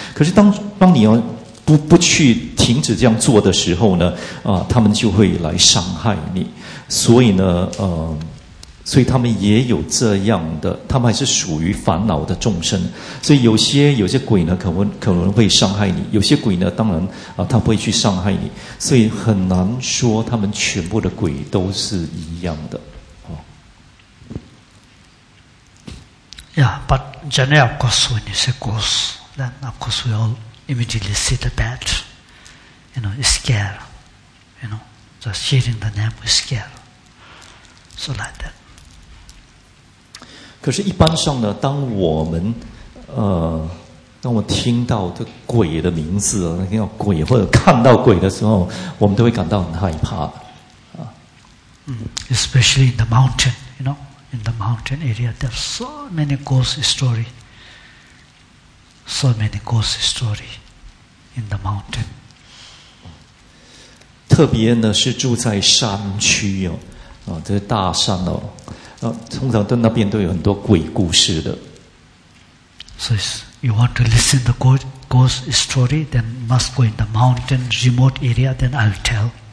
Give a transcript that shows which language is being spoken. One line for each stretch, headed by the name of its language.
Chinese: 可是当你要不去停止这样做的时候呢，他们就会来伤害你，所以呢所以他们也有这样的，他们还是属于烦恼的众生，所以有些鬼呢可能会伤害你，有些鬼呢当然他不会去伤害你，所以很难说他们全部的鬼都是一样的。
English: Yeah, but generally, of course, when you say ghost, then of course we all immediately see the bad, you know, scare, you know, just hearing the name, we scare. So like that.
Chinese: 可是一般上呢，当我听到这鬼的名字，听到鬼或者看到鬼的时候，我们都会感到很害怕。
English: Especially in the mountain, you know. In the mountain area, there are so many ghost stories. So many ghost stories in the mountain.
Chinese: 特别呢是住在山区哦，这是大山哦，通常在那边都有很多鬼故事的。
English: So you want to listen the ghost story, then must go in the mountain remote area, then I'll tell.